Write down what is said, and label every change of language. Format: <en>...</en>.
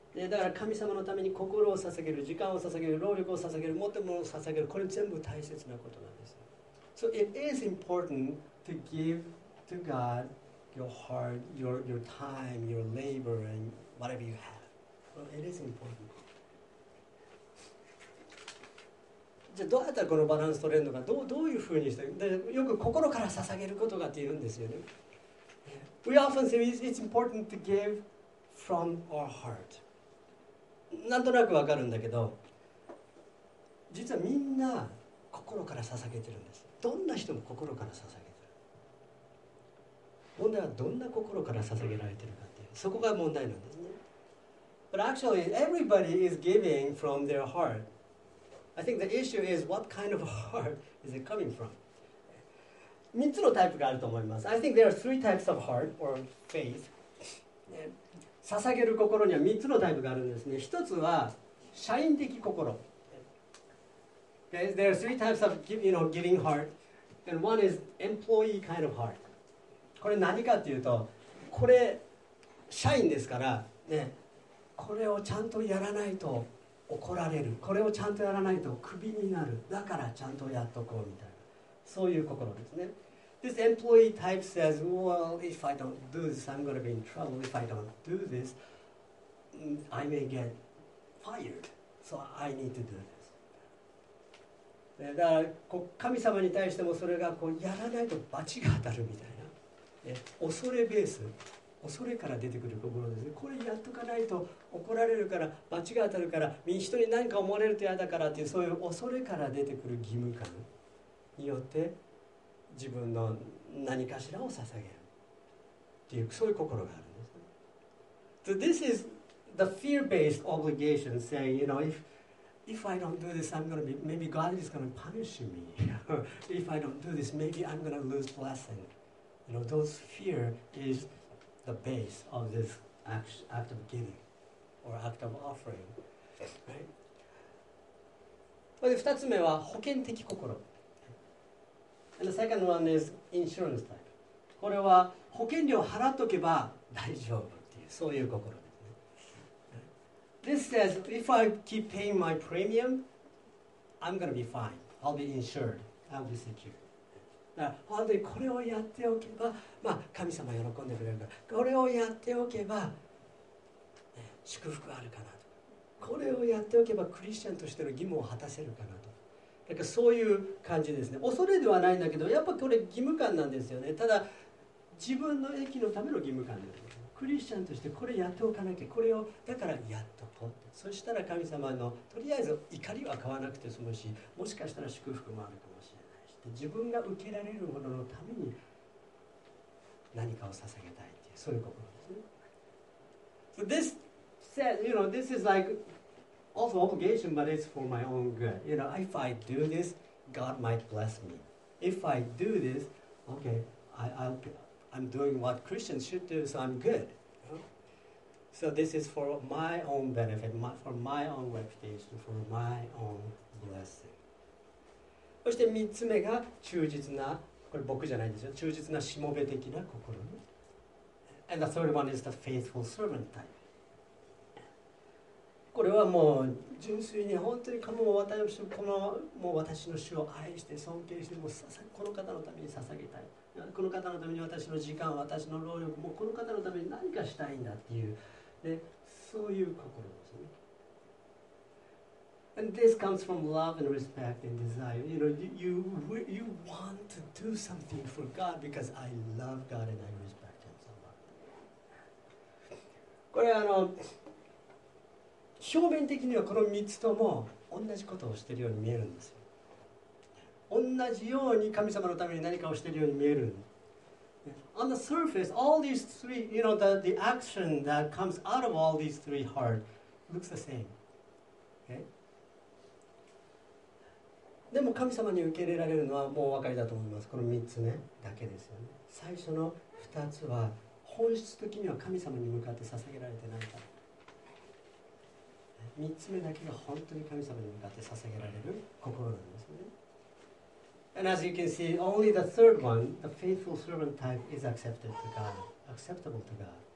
<ja>だから神様のために心を捧げる、時間を捧げる、労力を捧げる、持ってものを捧げる、これ全部大切なことなんです。</ja> <en>So it is important to give to God your heart, your time, your labor, and whatever you have. Well, it is important.</en> <ja>じゃあどうやったらこのバランス取れるのか、どういうふうにしてで、よく心から捧げることがって言うんですよね。</ja> <en>We often say it's important to give from our heart.</en> <ja>なんとなくわかるんだけど、実はみんな心から捧げてるんです。どんな人も心から捧げてる。問題はどんな心から捧げられてるかっていう、そこが問題なんですね。</ja> <en>But actually, everybody is giving from their heart. I think the issue is what kind of heart is it coming from?</en> <ja>3つのタイプがあると思います。</ja> <en>I think there are three types of heart or faith.</en> <ja>捧げる心には3つのタイプがあるんですね。 1つは社員的心。</ja> <en>There are three types of you know, giving heart. And one is employee kind of heart.</en> <ja>これ何かというと、これ社員ですから、ね、これをちゃんとやらないと怒られる。これをちゃんとやらないとクビになる。だからちゃんとやっとこうみたいな。そういう心ですね。</ja> <en>This employee type says, well, if I don't do this, I'm going to be in trouble. If I don't do this, I may get fired. So I need to do this.</en> <ja>だからこう神様に対してもそれがこうやらないと罰が当たるみたいな。恐れベース。恐れから出てくる心ですね。これやっとかないと怒られるから、罰が当たるから、人に何か思われると嫌だからっていう、そういう恐れから出てくる義務感によって自分の何かしらを捧げるっていう、そういう心があるんですね。</ja> <en>So this is the fear-based obligation saying, you know, if I don't do this, I'm gonna be, maybe God is gonna punish me. If I don't do this, maybe I'm gonna lose blessing. You know, those fear isthe base of this act of giving or act of offering, right?</en> <ja>2つ目は保険的心。</ja> <en>And the second one is insurance type.</en> <ja>これは保険料払っとけば大丈夫っていう、そういう心ですね。</ja> <en>This says, if I keep paying my premium, I'm going to be fine. I'll be insured. I'll be secure.</en> <ja>だから本当にこれをやっておけば、まあ、神様喜んでくれるから、これをやっておけば、ね、祝福あるかなと、これをやっておけばクリスチャンとしての義務を果たせるかなと、だからそういう感じですね。恐れではないんだけど、やっぱこれ義務感なんですよね。ただ自分の益のための義務感なんですね。クリスチャンとしてこれやっておかなきゃ、これをだからやっとこうって、そしたら神様のとりあえず怒りは買わなくて済むし、もしかしたら祝福もあるかもしれないし、自分が受けられるもののために何かを捧げたいっていう、そういう心ですね。</ja> <en>This said, you know, this is like also obligation, but it's for my own good. You know, if I do this, God might bless me. If I do this, okay, I'm doing what Christians should do, so I'm good. So this is for my own benefit, for my own reputation, for my own blessing.</en> <ja>そして三つ目が忠実な、これ僕じゃないですよ、忠実なしもべ的な心。</ja> <en>And the third one is the faithful servant type.</en> <ja>これはもう純粋に本当にこの私の、このもう私の主を愛して尊敬して、もうこの方のために捧げたい、この方のために私の時間、私の労力、もうこの方のために何かしたいんだっていう、でそういう心ですね。</ja> <en>And this comes from love and respect and desire. You know, you want to do something for God because I love God and I respect Him so much.</en> <ja>これあの表面的にはこの3つとも同じことをしているように見えるんですよ。同じように神様のために何かをしているように見える。</ja> <en>On the surface, all these three, you know, the action that comes out of all these three heart looks the same. Okay?</en> <ja>でも神様に受け入れられるのはもうお分かりだと思います。この3つ目だけですよね。最初の2つは本質的には神様に向かって捧げられてないから。 3つ目だけが本当に神様に向かって捧げられる心なんですね。</ja> <en>And as you can see, only the third one, the faithful servant type, is accepted to God, acceptable to God.</en>